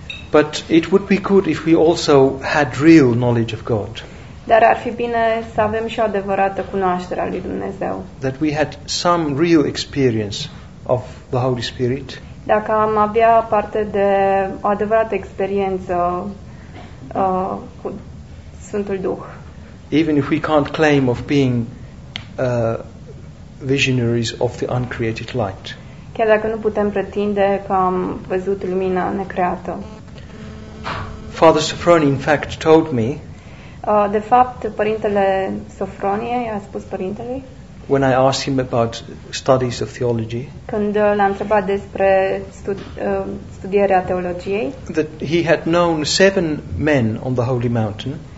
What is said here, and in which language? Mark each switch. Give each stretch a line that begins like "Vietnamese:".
English: But it would be good if we also had real knowledge of God.
Romanian: Dar ar fi bine să avem și o adevărată cunoaștere a lui Dumnezeu.
English: That we had some real experience of the Holy Spirit.
Romanian: Dacă am avea parte de o adevărată experiență cu Sfântul Duh.
English: even if we can't claim of being visionaries of the uncreated light.
Romanian: Chiar dacă nu putem pretinde că am văzut lumina necreată.
English: Father Sofronie in fact told me.
Romanian: De fapt, părintele Sofronie i-a spus părintelui.
English: When I asked him about studies of theology,
Romanian: când l-a întrebat despre studierea teologiei,
English: that he had known 7 men on the holy mountain,